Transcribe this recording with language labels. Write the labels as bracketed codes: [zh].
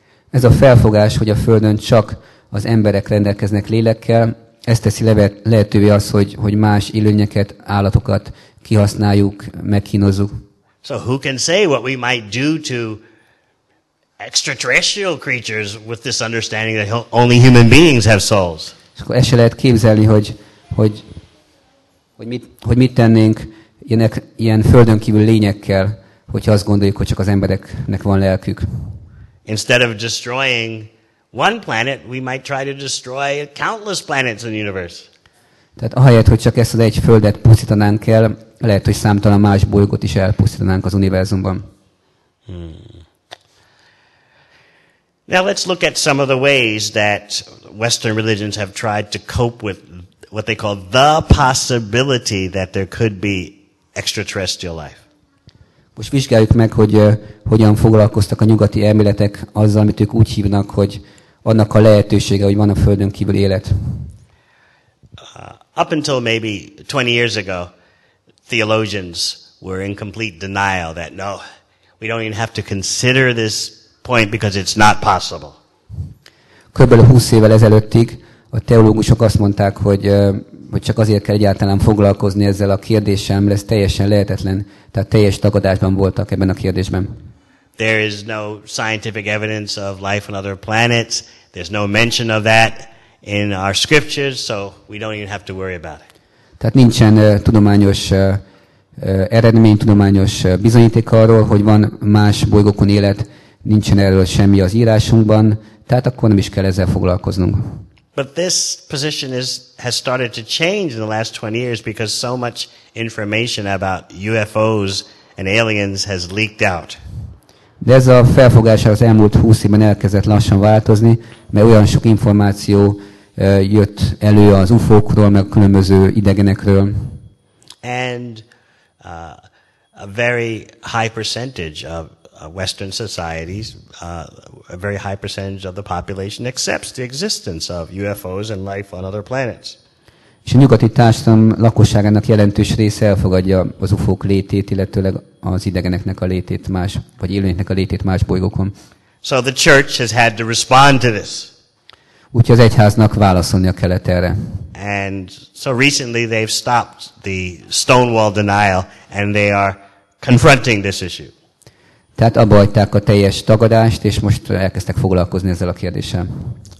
[hu] Ez a felfogás, hogy a Földön csak az emberek rendelkeznek lélekkel, ez teszi lehetővé azt, hogy más élőnyeket, állatokat kihasználjuk, meghínozzuk. [en] So who can say what we might do to extraterrestrial creatures with this understanding that only human beings have souls? [hu] És akkor ezt se lehet képzelni, hogy mit tennénk ilyen földön kívül lényekkel, hogyha azt gondoljuk, hogy csak az embereknek van lelkük. [en] Instead of destroying one planet, we might try to destroy countless planets in the universe. [hu] Tehát ahelyett, hogy csak ezt az egy földet pusztítanánk el, lehet, hogy számtalan más bolygót is elpusztítanánk az univerzumban. [en] Now let's look at some of the ways that Western religions have tried to cope with what they call the possibility that there could be extraterrestrial life. [hu] Most vizsgáljuk meg, hogy hogyan foglalkoztak a nyugati elméletek azzal, amit ők úgy hívnak, hogy annak a lehetősége, hogy van a Földön kívül élet. [en] Up until maybe 20 years ago, theologians were in complete denial that no, we don't even have to consider this point because it's not possible. [hu] Körülbelül 20 évvel ezelőttig a teológusok azt mondták, hogy csak azért kell egyáltalán foglalkozni ezzel a kérdéssel, mert ez teljesen lehetetlen. Tehát teljes tagadásban voltak ebben a kérdésben. [en] There is no scientific evidence of life on other planets. There's no mention of that in our scriptures, so we don't even have to worry about it. [hu] Tehát nincsen tudományos eredmény, tudományos bizonyíték arról, hogy van más bolygókon élet, nincsen erről semmi az írásunkban, tehát akkor nem is kell ezzel foglalkoznunk. [en] But this position has started to change in the last 20 years because so much information about UFOs and aliens has leaked out. [hu] De ez a felfogás az elmúlt 20 évben elkezdett lassan változni, mert olyan sok információ jött elő az UFO-król, meg a különböző idegenekről. [en] And a very high percentage of Western societies, a very high percentage of the population accepts the existence of UFOs and life on other planets. [hu] És a nyugati társadalom lakosságának jelentős része elfogadja az UFO-k létét, illetőleg az idegeneknek a létét más, vagy élőnyeknek a létét más bolygókon. [en] So the church has had to respond to this. [hu] Úgyhogy az egyháznak válaszolnia kellett erre. [en] And so recently they've stopped the Stonewall denial, and they are confronting this issue. [hu] Tehát abba hagyták a teljes tagadást, és most elkezdtek foglalkozni ezzel a kérdéssel.